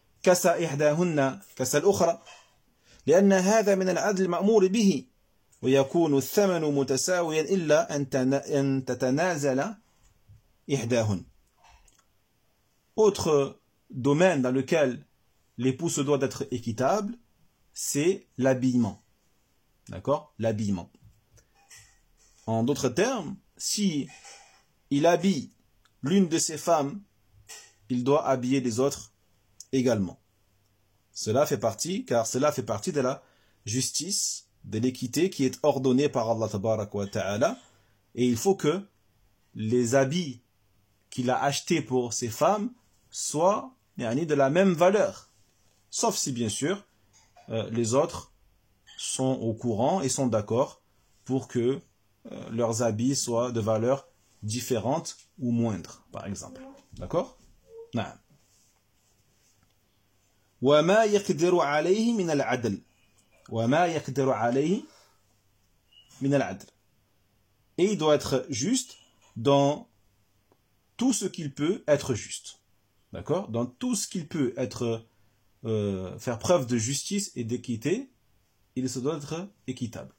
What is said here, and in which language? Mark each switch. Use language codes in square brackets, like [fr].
[ar] كسى إحداهن كسى الأخرى لأن هذا من العدل المأمور به ويكون الثمن متساويا إلا أن تتنازل إحداهن. [fr] Autre domaine dans lequel l'époux se doit d'être équitable, c'est l'habillement. D'accord? L'habillement. En d'autres termes, si il habille l'une de ses femmes, il doit habiller les autres également. Cela fait partie, car cela fait partie de la justice, de l'équité qui est ordonnée par Allah tabaraka wa ta'ala. Et il faut que les habits qu'il a achetés pour ses femmes soient de la même valeur. Sauf si, bien sûr, les autres sont au courant et sont d'accord pour que leurs habits soient de valeur différente ou moindre, par exemple. D'accord? Non. [ar] وما يقدر عليه من العدل وما يقدر عليه من العدل. [fr] Et il doit être juste dans tout ce qu'il peut être juste. D'accord? Dans tout ce qu'il peut être faire preuve de justice et d'équité, il se doit être équitable.